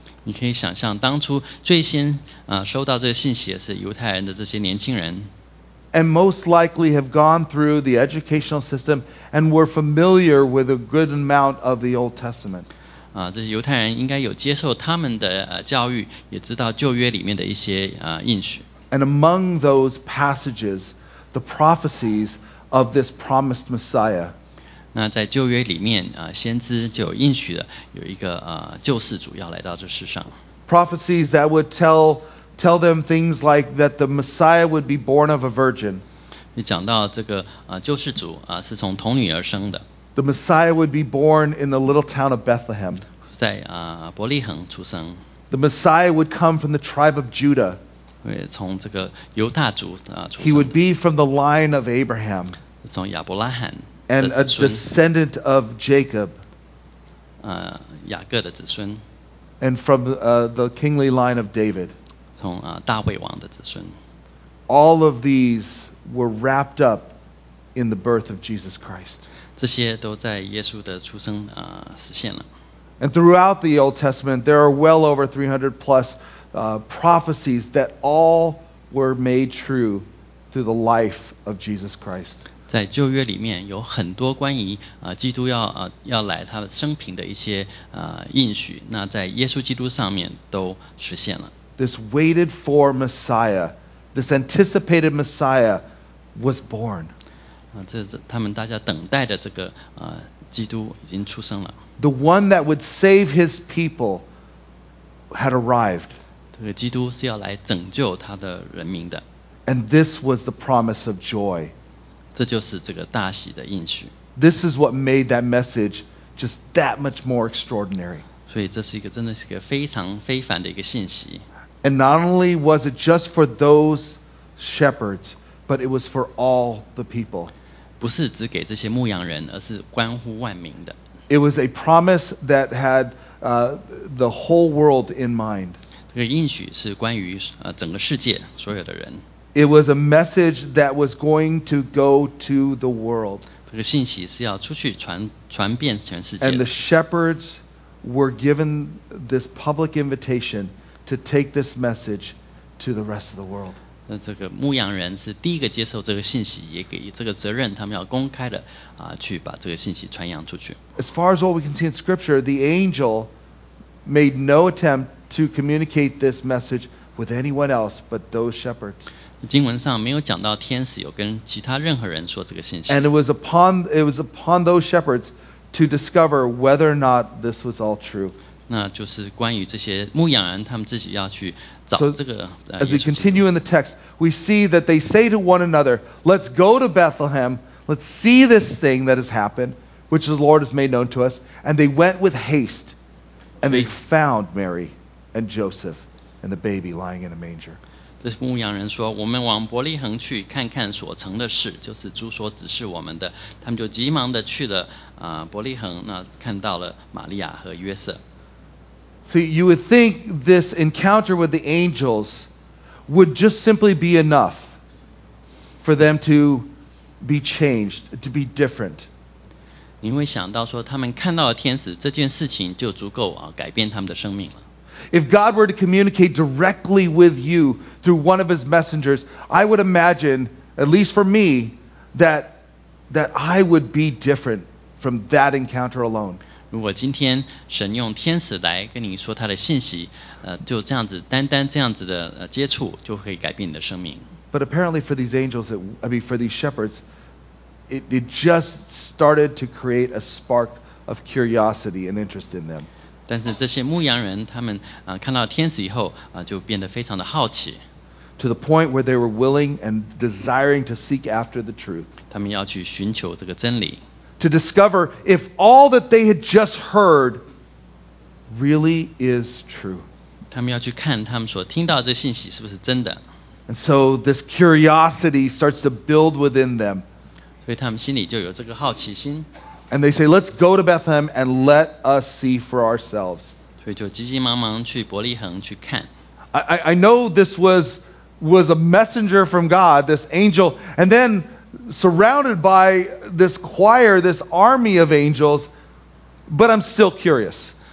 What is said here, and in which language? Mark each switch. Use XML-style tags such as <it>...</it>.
<zh>你可以想象当初最先收到这个信息的是犹太人的这些年轻人。</zh> <en>And most likely have gone through the educational system and were familiar with a good amount of the Old Testament.</en> <zh>这些犹太人应该有接受他们的教育，也知道旧约里面的一些应许。</zh> <en>And among those passages, the prophecies of this promised Messiah.</en> <zh>那在旧约里面先知就有应许了，有一个救世主要来到这世上。</zh> <en>Prophecies that would tell them things like that the Messiah would be born of a virgin.</en> <zh>你讲到这个救世主是从童女而生的。</zh> <en>The Messiah would be born in the little town of Bethlehem.</en> <zh>在伯利恒出生。</zh> <en>The Messiah would come from the tribe of Judah.</en> <zh>会从这个犹大族出生。</zh> <en>He would be from the line of Abraham.</en> <zh>从亚伯拉罕的子孙。</zh> <en>And a descendant of Jacob.</en> <zh>雅各的子孙。</zh> <en>And from the kingly line of David.</en> <zh>大卫王的子孙。</zh> <en>All of these were wrapped up in the birth of Jesus Christ.</en> <zh>这些都在耶稣的出生实现了。</zh> <en>And throughout the Old Testament, there are well over 300 plus prophecies that all were made true through the life of Jesus Christ.</en> <zh>在旧约里面有很多关于基督要来他生平的一些应许，那在耶稣基督上面都实现了。</zh> <en>This waited for Messiah, this anticipated Messiah was born.</en> <zh>这是他们大家等待的这个基督已经出生了。</zh> <en>The one that would save his people had arrived.</en> <zh>这个基督是要来拯救他的人民的。</zh> <en>And this was the promise of joy.</en> <zh>这就是这个大喜的应许。</zh> <en>This is what made that message just that much more extraordinary.</en> <zh>所以这是一个真的是一个非常非凡的一个信息。</zh> <en>And not only was it just for those shepherds, but it was for all the people.</en> <zh>不是只给这些牧羊人，而是关乎万民的。</zh> <en>It was a promise that had the whole world in mind.</en> <zh>这个应许是关于整个世界所有的人。</zh> <en>It was a message that was going to go to the world.</en> <zh>这个信息是要出去传遍全世界。</zh> <en>And the shepherds were given this public invitation. To take this message to the rest of the world.</en> <zh>那这个牧羊人是第一个接受这个信息，也给这个责任，他们要公开的去把这个信息传扬出去。</zh> <en>As far as what we can see in Scripture, the angel made no attempt to communicate this message with anyone else but those shepherds.</en> <zh>经文上没有讲到天使有跟其他任何人说这个信息。</zh> <en>And it was upon those shepherds to discover whether or not this was all true.</en> <zh>那就是关于这些牧羊人他们自己要去找这个</zh> <en>So, as we continue in the text, we see that they say to one another, let's go to Bethlehem, let's see this thing that has happened, which the Lord has made known to us, and they went with haste, and they found Mary and Joseph and the baby lying in a manger.</en> <zh>这些牧羊人说我们往伯利恒去看看所成的事就是主所指示我们的他们就急忙的去了伯利恒那看到了玛利亚和约瑟。</zh> <en>See, you would think this encounter with the angels would just simply be enough for them to be changed, to be different.</en> <zh>你会想到说他们看到了天使这件事情就足够改变他们的生命了。</zh> <en>If God were to communicate directly with you through one of his messengers, I would imagine, at least for me, that I would be different from that encounter alone.</en> <zh>如果今天神用天使来跟你说他的信息，就这样子单单这样子的接触，就可以改变你的生命。</zh> <en>But apparently for these angels, for these shepherds, it just started to create a spark of curiosity and interest in them.</en> <zh>但是这些牧羊人他们、看到天使以后、就变得非常的好奇。</zh> <en>To the point where they were willing and desiring to seek after the truth.</en> <zh>他们要去寻求这个真理。</zh> <en>To discover if all that they had just heard really is true.</en> <zh>他们要去看他们所听到的这信息是不是真的。</zh> <en>And so this curiosity starts to build within them.</en> <zh>所以他们心里就有这个好奇心。</zh> <en>And they say, let's go to Bethlehem and let us see for ourselves.</en> <zh>所以就急急忙忙去伯利恒去看。</zh> <en>I know this was a messenger from God, this angel, and then surrounded by this choir, this army of angels, but I'm still curious.</en>